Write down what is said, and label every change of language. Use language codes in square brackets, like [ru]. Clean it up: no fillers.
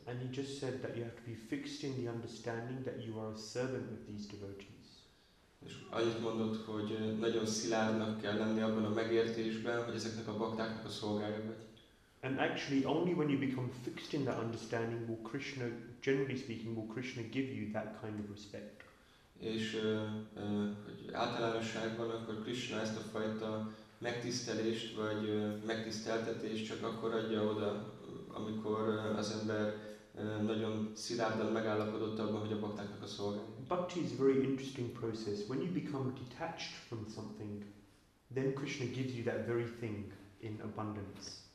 [en] And he just said that you have to be fixed in the understanding that you are a servant of these devotees. [hu] És annyit mondott, hogy nagyon szilárdnak kell lenni abban a megértésben, hogy ezeknek a baktáknak a szolgálja vagy. [en] And actually, only when you become fixed in that understanding will Krishna, generally speaking, will Krishna give you that kind of respect. [hu] És hogy általánosságban akkor Krishna ezt a fajta megtisztelést vagy megtiszteltetést csak akkor adja oda, amikor az ember nagyon szilárdan megállapodott abban, hogy a baktáknak a szolgálja. [en] Bhakti is a very interesting process. When you become detached from something, then Krishna gives you that very thing in abundance.